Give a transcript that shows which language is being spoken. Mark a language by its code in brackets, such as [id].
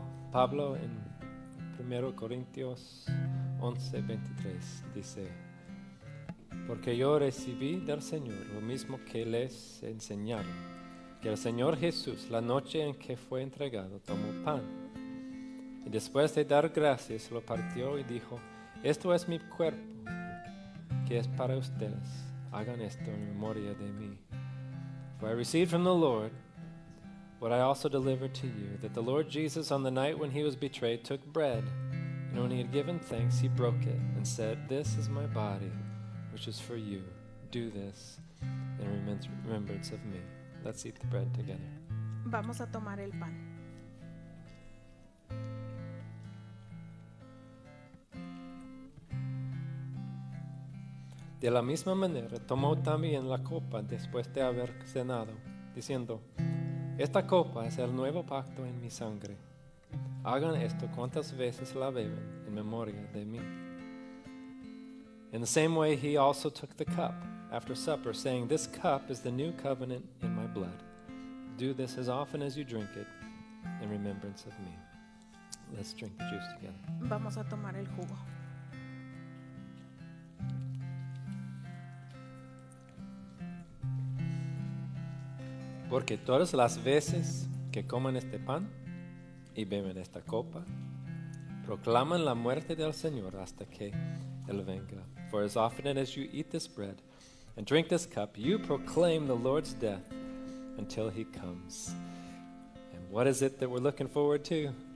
[es] Pablo en 1 Corintios 11:23 dice: Porque yo recibí del Señor lo mismo que les enseñaron, que el Señor Jesús, la noche en que fue entregado, tomó pan, y después de dar gracias, lo partió y dijo: Esto es mi cuerpo, que es para ustedes. Hagan esto en memoria de mí. [en] For I received from the Lord what I also delivered to you, that the Lord Jesus, on the night when he was betrayed, took bread, and when he had given thanks, he broke it and said, This is my body, which is for you. Do this in remembrance of me. Let's eat the bread together. [es] Vamos a tomar el pan. De la misma manera, tomó también la copa después de haber cenado, diciendo, Esta copa es el nuevo pacto en mi sangre. Hagan esto cuantas veces la beben en memoria de mí. [en] In the same way, he also took the cup after supper, saying, This cup is the new covenant in my blood. Do this as often as you drink it in remembrance of me. Let's drink the juice together. [es] Vamos a tomar el jugo. Porque todas las veces que comen este pan y beben esta copa, proclaman la muerte del Señor hasta que Él venga. [en] For as often as you eat this bread and drink this cup, you proclaim the Lord's death until He comes. And what is it that we're looking forward to?